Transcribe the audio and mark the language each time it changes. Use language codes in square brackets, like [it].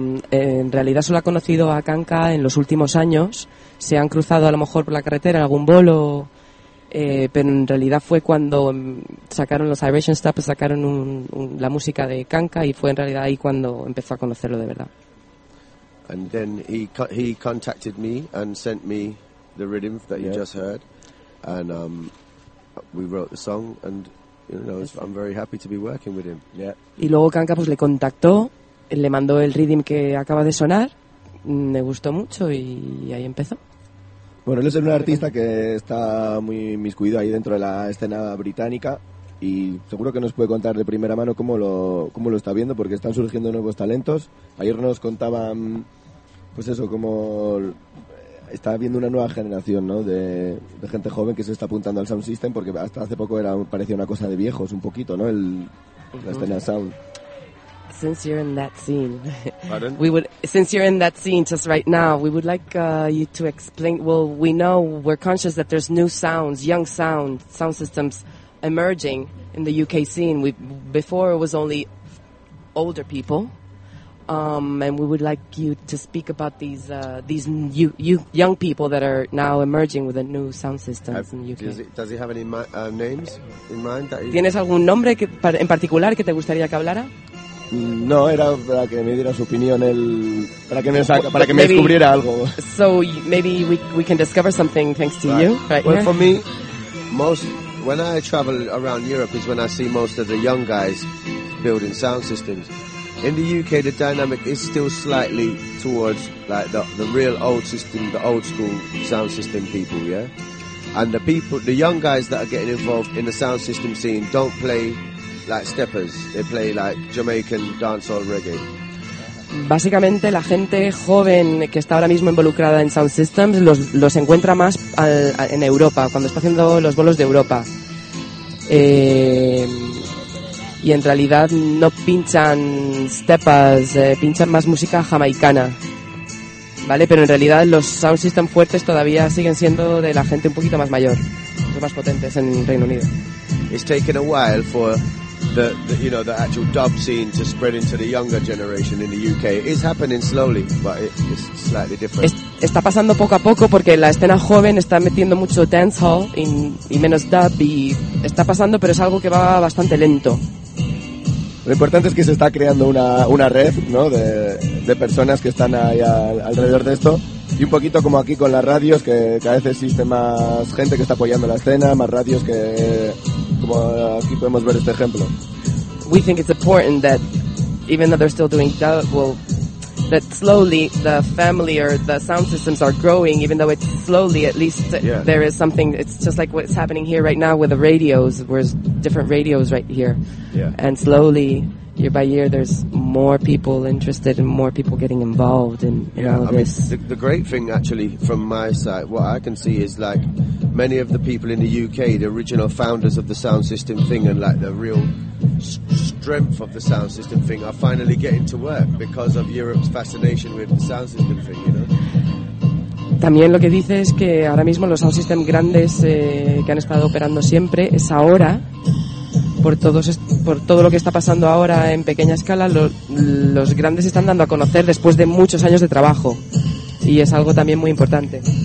[es] En realidad solo ha conocido a Kanka en los últimos años. Se han cruzado a lo mejor por la carretera en algún bolo. Pero en realidad fue cuando sacaron los Iration Stepper, sacaron la música de Kanka, y fue en realidad ahí cuando empezó a conocerlo de verdad. [en] And then he contacted me and sent me the rhythm that you just heard, and we wrote the song, and I'm very happy to be working with him. Yeah. [es] Y luego Kanka pues le contactó, le mandó el rhythm que acaba de sonar, me gustó mucho y ahí empezó. Bueno, él es un artista que está muy inmiscuido ahí dentro de la escena británica, y seguro que nos puede contar de primera mano cómo lo está viendo, porque están surgiendo nuevos talentos. Ayer nos contaban, pues eso, cómo está habiendo una nueva generación, ¿no? De gente joven que se está apuntando al sound system, porque hasta hace poco era parecía una cosa de viejos un poquito, ¿no? El la escena sound. [en] Since you're in that scene, pardon? We would. Since you're in that scene just right now, we would like you to explain. Well, we know we're conscious that there's new sounds, young sounds, sound systems emerging in the UK scene. We before it was only older people, and we would like you to speak about these young people that are now emerging with the new sound systems in the UK. Does he have any names in mind? [es] ¿Tienes algún nombre en particular que te gustaría que hablara? No, era para que me diera su opinión él, para que me descubriera algo. [en] So maybe we can discover something thanks to you. Right, well, for me, most when I travel around Europe is when I see most of the young guys building sound systems. In the UK, the dynamic is still slightly towards like the real old system, the old school sound system people, yeah. And the young guys that are getting involved in the sound system scene don't play like steppers, they play like Jamaican dancehall reggae. [es] Básicamente la gente joven que está ahora mismo involucrada en sound systems los encuentra más en Europa cuando está haciendo los bolos de Europa. Y en realidad no pinchan steppers, pinchan más música jamaicana. ¿Vale? Pero en realidad los sound system fuertes todavía siguen siendo de la gente un poquito más mayor, los más potentes en Reino Unido. [en] It's taken a while for the actual dub scene to spread into the younger generation in the UK. It's happening slowly, but it's slightly different. [es] Está pasando poco a poco porque la escena joven está metiendo mucho dancehall y menos dub y está pasando, pero es algo que va bastante lento. Lo importante es que se está creando una red, ¿no? De personas que están ahí alrededor de esto. Y un poquito como aquí con las radios, que cada vez existe más gente que está apoyando la escena, más radios que... Como aquí podemos ver este ejemplo. [en] We think it's important that, even though they're still doing dub, well, that slowly the family or the sound systems are growing, even though it's slowly, at least there is something. It's just like what's happening here right now with the radios. There's different radios right here. Yeah. And slowly, year by year, there's more people interested and more people getting involved in all of this. The great thing, actually, from my side, what I can see is, like, many of the people in the UK, the original founders of the sound system thing and, like, the real strength of the sound system thing are finally getting to work because of Europe's fascination with the sound system thing, you know? [es] También lo que dice es que ahora mismo los sound system grandes que han estado operando siempre es ahora, por todo lo que está pasando ahora en pequeña escala, los grandes están dando a conocer después de muchos años de trabajo. Y es algo también muy importante.